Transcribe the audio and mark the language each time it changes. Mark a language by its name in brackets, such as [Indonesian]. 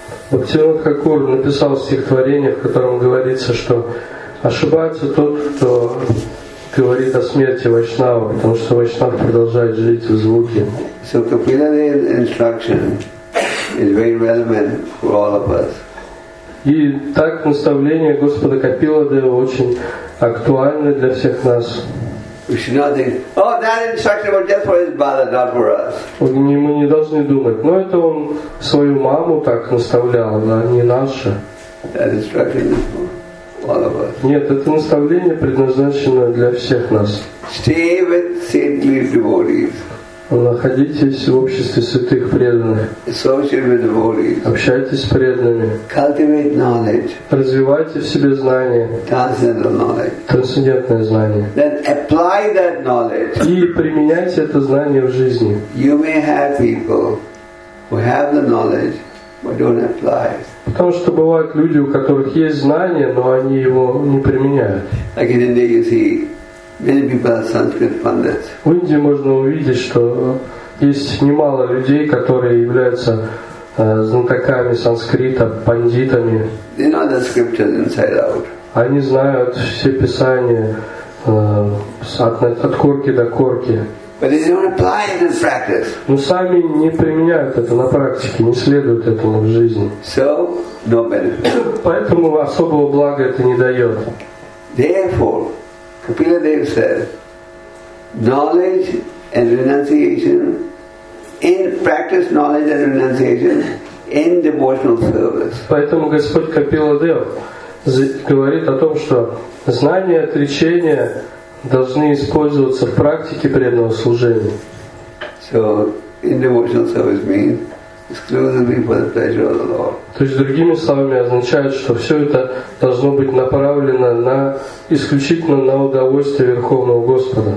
[Russian] Бхактивинод Хакур написал стихотворение, в котором говорится, что ошибается тот, кто говорит о смерти Вайшнава, потому что Вайшнав продолжает жить в звуке. [English] So Kapiladeva's instruction is very relevant for all of us. [Russian] И так наставление Господа Капиладева очень актуально для всех нас. [English] We should not think, oh, that instruction was just for his mother, not for us. [Russian] Мы не должны думать, но это он свою маму так наставлял, да, не наше. [English] That instruction is for all of us. [Russian] Нет, это наставление предназначено для всех нас. [English] Stay with saintly devotees. [Russian] Находитесь в обществе святых преданных. [English] Associate with devotees. [Russian] Общайтесь с преданными. [English] Cultivate knowledge. [Russian] Развивайте в себе знания. [English] Transcendental knowledge. [Russian] Трансцендентное знание. [English] Then apply that knowledge. [Russian] И применяйте это знание в жизни. [English] You may have people who have the knowledge, but don't apply. [Russian] Потому что бывают люди, у которых есть знания, но они его не применяют. [English] Like in India, you see, many people are Sanskrit pundits. [Russian] В Индии можно увидеть, что есть немало людей, которые являются знатоками санскрита, пандитами. [English] They know the scriptures inside out. [Russian] Они знают все писания от корки до корки. [English] But they don't apply it in practice. [Russian] Но сами не применяют это на практике, не следуют этому в жизни. [English] So, no benefit. [Russian] Поэтому особого блага это не дает. [English] Therefore, Kapiladeva said, knowledge and renunciation, in practice knowledge and renunciation in devotional service. [Russian] Поэтому Господь Капила Дев говорит о том, что знание и отречение должны использоваться в практике преданного служения. [English] So, in devotional service means exclusively for the pleasure of the Lord. [Russian] То есть другими словами означает, что все это должно быть направлено на исключительно на удовольствие Верховного Господа.